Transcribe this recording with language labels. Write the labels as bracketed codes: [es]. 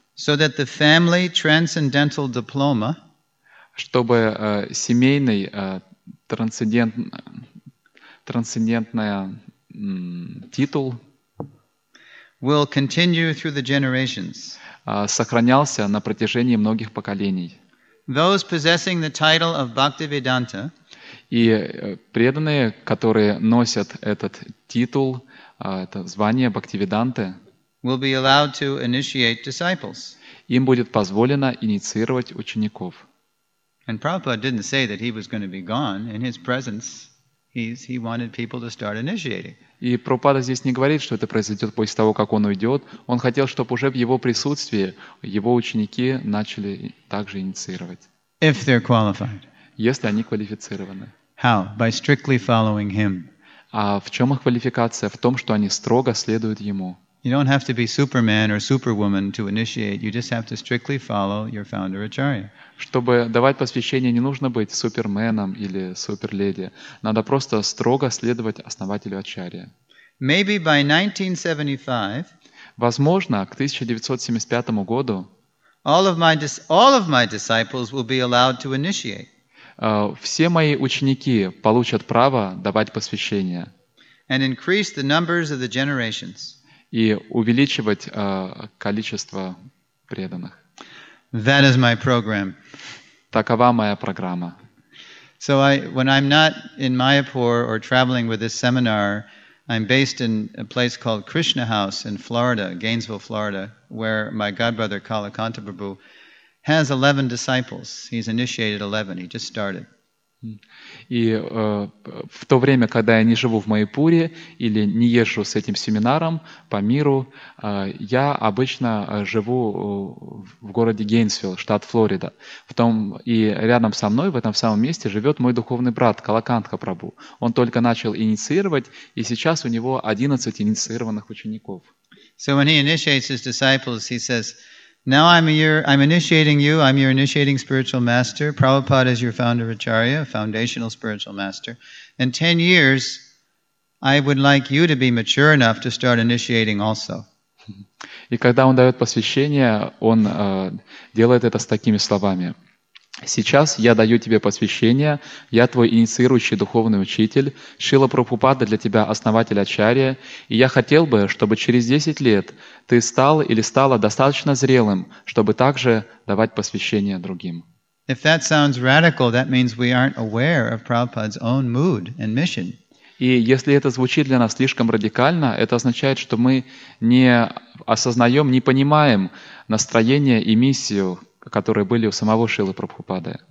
[en] So that the family transcendental diploma, [ru] чтобы семейный трансцендентный титул [en] will continue through the generations. [ru] Сохранялся на протяжении многих поколений. [en] Those possessing the title of Bhaktivedanta, [ru] и преданные, которые носят этот титул, это звание Бхактивиданты, [en] will be allowed to initiate disciples. [ru] Им будет позволено инициировать учеников. [en] And Prabhupada didn't say that he was going to be gone in his presence. He wanted people to start initiating. [ru] И Прабхупада здесь не говорит, что это произойдет после того, как он уйдет. Он хотел, чтобы уже в его присутствии его ученики начали также инициировать. [en] If they're qualified. [ru] Если они квалифицированы. [en] How? By strictly following him. [ru] А в чем их квалификация? В том, что они строго следуют ему. [en] You don't have to be Superman or Superwoman to initiate. You just have to strictly follow your founder Acharya. [ru] Чтобы давать посвящение, не нужно быть суперменом или суперледи. Надо просто строго следовать основателю Ачарьи. [en] Maybe by 1975. [ru] Возможно, к 1975 году. [en] All of my disciples will be allowed to initiate. [ru] Все мои ученики получат право давать посвящение. [en] And increase the numbers of the generations. [ru] И увеличивать количество преданных. [en] That is my program. [ru] Такова моя программа. [en] So I, when I'm not in Mayapur or traveling with this seminar, I'm based in a place called Krishna House in Florida, Gainesville, Florida, where my godbrother Kalakanta Prabhu has 11 disciples. He's initiated 11. He just started. [ru] И в то время, когда я не живу в Майпуре или не езжу с этим семинаром по миру, я обычно живу в городе Гейнсвилл, штат Флорида. И рядом со мной, в этом самом месте, живет мой духовный брат Калакантха Прабу. Он только начал инициировать, и сейчас у него 11 инициированных учеников. [en] So when he initiates his disciples, he says, Now I'm initiating you. I'm your initiating spiritual master. Prabhupada is your founder Acharya, foundational spiritual master. In 10 years, I would like you to be mature enough to start initiating also. [ru] И когда он дает посвящение, он делает это с такими словами. Сейчас я даю тебе посвящение, я твой инициирующий духовный учитель, Шрила Прабхупада для тебя основатель ачарьи, и я хотел бы, чтобы через 10 лет ты стал или стала достаточно зрелым, чтобы также давать посвящение другим. [en] If that sounds radical, that means we aren't aware of Prabhupada's own mood and mission. [ru] И если это звучит для нас слишком радикально, это означает, что мы не осознаем, не понимаем настроение и миссию, которые были у самого Шрилы Прабхупады.